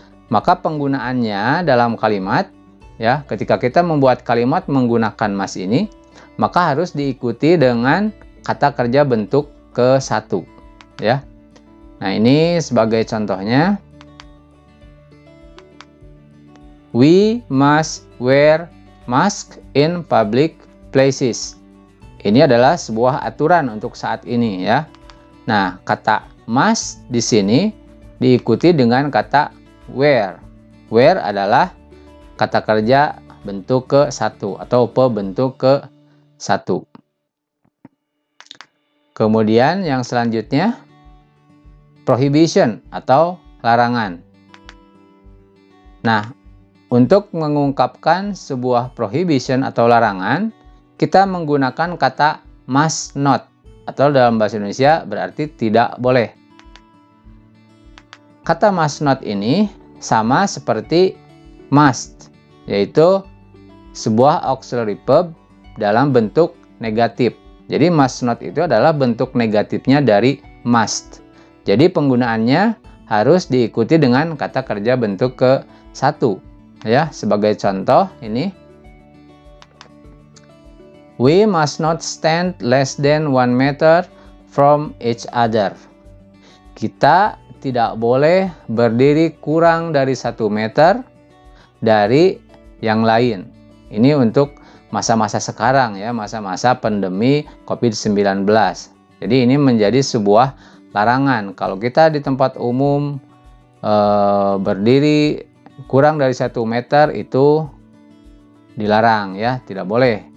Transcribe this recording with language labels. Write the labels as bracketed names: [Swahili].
[Indonesian] Maka penggunaannya dalam kalimat, ya, ketika kita membuat kalimat menggunakan must ini, maka harus diikuti dengan kata kerja bentuk ke-1, ya. Nah, ini sebagai contohnya. [English] We must wear mask in public places. [Indonesian] Ini adalah sebuah aturan untuk saat ini, ya. Nah, kata must di sini diikuti dengan kata wear. Wear adalah kata kerja bentuk ke-1 atau pebentuk ke-1. Kemudian yang selanjutnya, prohibition atau larangan. Nah, untuk mengungkapkan sebuah prohibition atau larangan, kita menggunakan kata must not atau dalam bahasa Indonesia berarti tidak boleh. Kata must not ini sama seperti must, yaitu sebuah auxiliary verb dalam bentuk negatif. Jadi must not itu adalah bentuk negatifnya dari must. Jadi penggunaannya harus diikuti dengan kata kerja bentuk ke-1. Ya, sebagai contoh ini. [English] We must not stand less than 1 meter from each other. [Indonesian] Kita tidak boleh berdiri kurang dari 1 meter dari yang lain. Ini untuk masa-masa sekarang ya, masa-masa pandemi COVID-19. Jadi ini menjadi sebuah larangan. Kalau kita di tempat umum berdiri kurang dari 1 meter itu dilarang ya, tidak boleh.